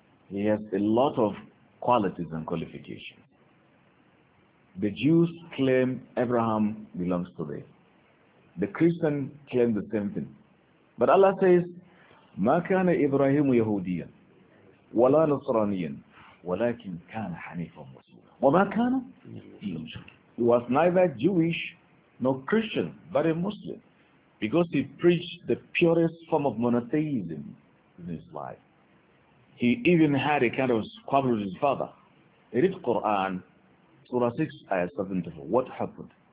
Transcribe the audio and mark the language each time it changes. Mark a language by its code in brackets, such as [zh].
[en] He has a lot of qualities and qualifications. The Jews claim Abraham belongs to them. The Christians claim the same thing. But Allah says, [ar] مَا كَانَ إِبْرَاهِيمُ يَهُودِيًا وَلَا نَصْرَانِيًا وَلَكِنْ كَانَ حَنِيفًا مُسْلِمًا. وَمَا كَانَ [en] He was neither Jewish nor Christian, but a Muslim, because he preached the purest form of monotheism in his life. He even had a kind of squabble with his father. He read Quran, Surah 6, ayah 74. What happened?